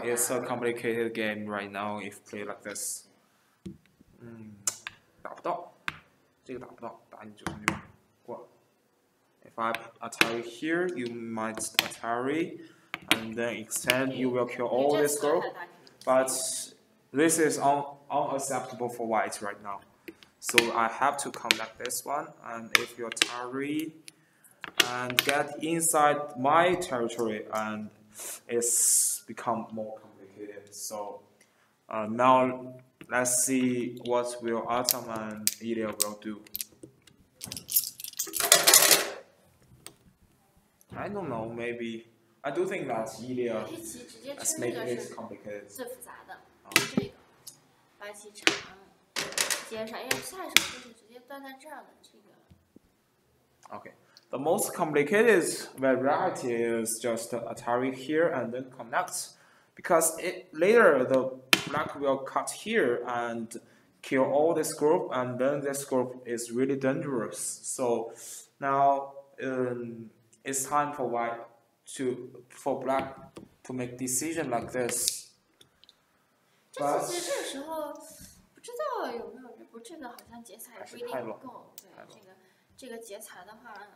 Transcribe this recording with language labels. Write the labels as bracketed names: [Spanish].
[English] it's a complicated game right now if play like this。 [Chinese] 打不到，这个打不到，打你就从那边过。 [English] If I attack here, you might attack, and then extend, you will kill all this girl. But this is unacceptable for white right now. So I have to come like this one, and if you attack. And get inside my territory, and it's become more complicated. So, now let's see what will Atom and Ilya will do. I don't know. Maybe I do think that Ilya is making it complicated. [Chinese] 最复杂的，这个白棋长接上，因为下一手就是直接断在这儿的这个。 [English] Okay. The most complicated variety is just attack here and then connect, because later the black will cut here and kill all this group, and then this group is really dangerous. So now it's time for white for black to make decision like this. [Chinese] But 这其实这个时候不知道有没有这个好像劫财也不一定够，对这个劫财的话。